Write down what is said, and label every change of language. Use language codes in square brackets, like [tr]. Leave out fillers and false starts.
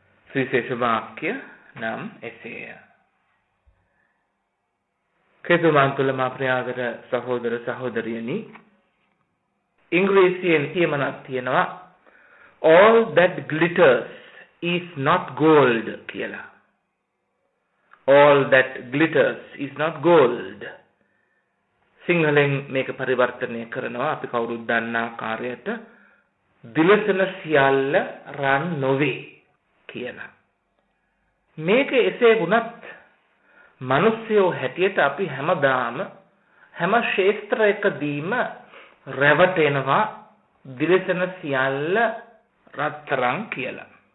[si] සවිශේෂ වාක්‍ය නම් එසේය. කෙතුමන් තුළ මා ප්‍රියාදර සහෝදර සහෝදරියනි, ඉංග්‍රීසියෙන් කියමනක් තියෙනවා [en] All that glitters is not gold [si] කියලා. [en] All that glitters is not gold. [si] සිංහලෙන් මේක පරිවර්තනය කරනවා අපි කවුරුත් දන්නා කාර්යයට දිලසන සියල්ල රන් නොවේ කියලා. මේක එසේ වුණත් මිනිස්යෝ හැටියට අපි හැමදාම හැම ක්ෂේත්‍රයකදීම රැවටෙනවා දිලසන සියල්ල රත්තරන් කියලා.